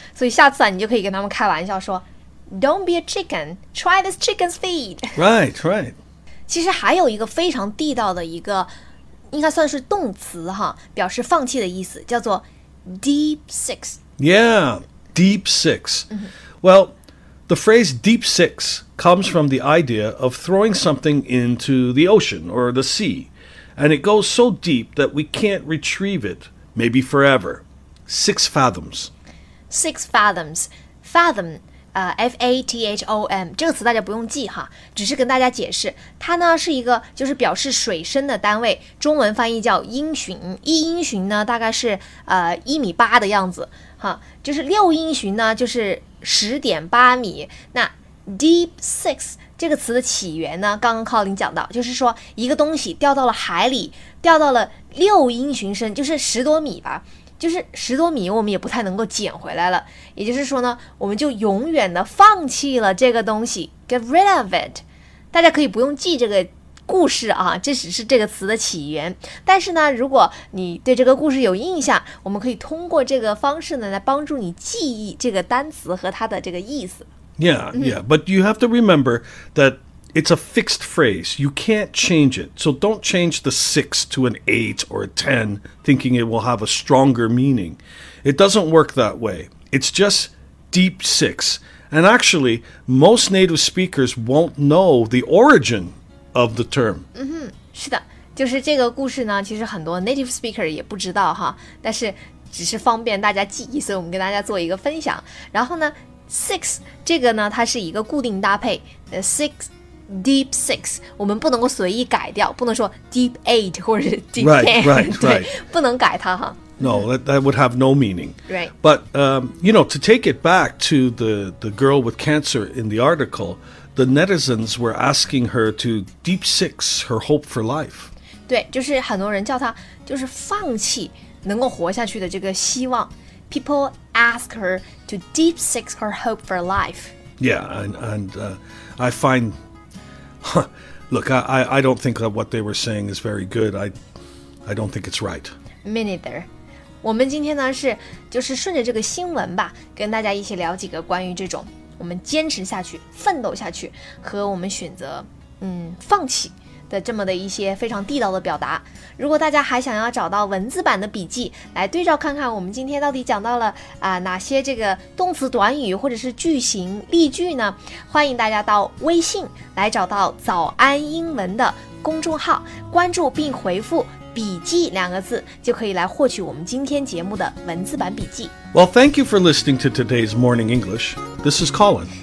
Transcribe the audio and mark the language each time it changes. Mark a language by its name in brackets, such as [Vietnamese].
[Chinese] 所以下次啊，你就可以跟他们开玩笑说 ， [English] Don't be a chicken, try this chicken's feet. Right, right. [Chinese] 其实还有一个非常地道的一个，应该算是动词哈，表示放弃的意思，叫做 deep six. [English] Yeah, deep six. Well. The phrase deep six comes from the idea of throwing something into the ocean or the sea, and it goes so deep that we can't retrieve it, maybe forever. Six fathoms. Six fathoms. [Chinese] Fathom, F-A-T-H-O-M, 这个词大家不用记哈，只是跟大家解释，它呢是一个就是表示水深的单位，中文翻译叫英寻，一英寻呢大概是一米八的样子。就是六英寻呢就是 10.8 米，那 deep six 这个词的起源呢，刚刚 Colin 讲到，就是说一个东西掉到了海里，掉到了六英寻深，就是十多米吧，就是十多米我们也不太能够捡回来了，也就是说呢，我们就永远的放弃了这个东西， [English] get rid of it。 [Chinese] 大家可以不用记这个故事啊，这只是这个词的起源。但是呢，如果你对这个故事有印象，我们可以通过这个方式呢来帮助你记忆这个单词和它的这个意思。 [English] Yeah, but you have to remember that it's a fixed phrase. You can't change it. So don't change the six to an eight or a ten, thinking it will have a stronger meaning. It doesn't work that way. It's just deep six. And actually, most native speakers won't know the origin. Of the term. [Chinese] 嗯哼，是的，就是这个故事呢，其实很多 native speaker 也不知道哈，但是只是方便大家记忆，所以我们跟大家做一个分享。然后呢 ，six 这个呢，它是一个固定搭配 ，six deep six， 我们不能够随意改掉，不能说 deep eight 或者 deep ten， [English] right. [Chinese] 不能改它哈。 [English] No, that would have no meaning. Right. But you know, to take it back to the girl with cancer in the article. The netizens were asking her to deep six her hope for life. [Chinese] 对，就是很多人叫她就是放弃能够活下去的这个希望。 [English] People ask her to deep six her hope for life. Yeah, and I find, look, I don't think that what they were saying is very good. I don't think it's right. Me neither. [Chinese] 我们今天呢是就是顺着这个新闻吧，跟大家一起聊几个关于这种。我们坚持下去奋斗下去和我们选择放弃的这么的一些非常地道的表达。如果大家还想要找到文字版的笔记来对照看看我们今天到底讲到了哪些这个动词短语或者是句型例句呢，欢迎大家到微信来找到早安英文的公众号，关注并回复笔记两个字就可以来获取我们今天节目的文字版笔记。 [English] Well, thank you for listening to today's Morning English. This is Colin.